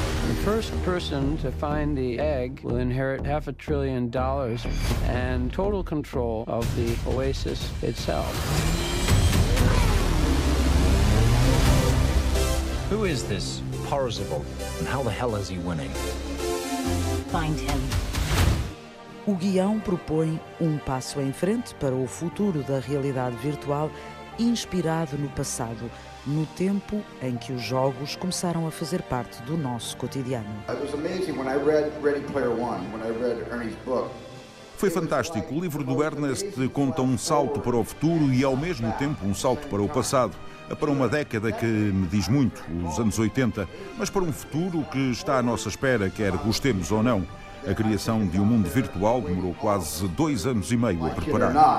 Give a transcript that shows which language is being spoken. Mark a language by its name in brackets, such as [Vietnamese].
[English] The first person to find the egg will inherit $500 billion and total control of the Oasis itself. Who is this Parzival and how the hell is he winning? Find him. [Portuguese] O guião propõe um passo em frente para o futuro da realidade virtual inspirado no passado. No tempo em que os jogos começaram a fazer parte do nosso cotidiano. [English] It was amazing when I read Ready Player One, when I read Ernie's book. [Portuguese] Foi fantástico. O livro do Ernest conta um salto para o futuro e, ao mesmo tempo, um salto para o passado. Para uma década que me diz muito, os anos 80, mas para um futuro que está à nossa espera, quer gostemos ou não. A criação de um mundo virtual demorou quase 2 anos e meio a preparar.